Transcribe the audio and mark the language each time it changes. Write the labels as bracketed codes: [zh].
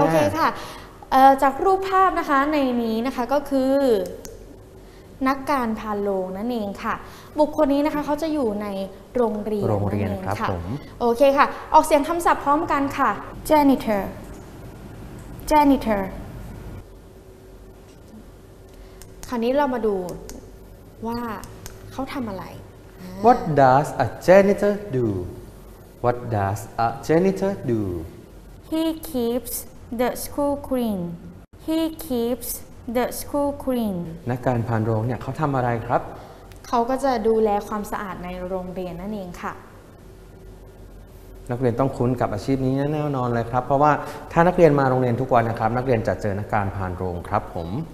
[th] โอเคค่ะจากรูปภาพนะคะในนี้นะคะก็คือนักการพานโรงนั่นเองค่ะบุคคลนี้นะคะเขาจะอยู่ในโรงเรียน โรงเรียนครับผม โอเคค่ะออกเสียงคำศัพท์พร้อมกันค่ะ janitor janitor คราวนี้เรามาดูว่าเขาทำอะไร [en] what does a janitor do what does a janitor do he keeps the school clean he keeps the school clean [th] นักการพานโรงเนี่ยเขาทำอะไรครับ เขาก็จะดูแลความสะอาดในโรงเรียนนั่นเองค่ะ นักเรียนต้องคุ้นกับอาชีพนี้แน่นอนเลยครับเพราะว่าถ้านักเรียนมาโรงเรียนทุกวันนะครับนักเรียนจะเจอนักการพานโรงครับผม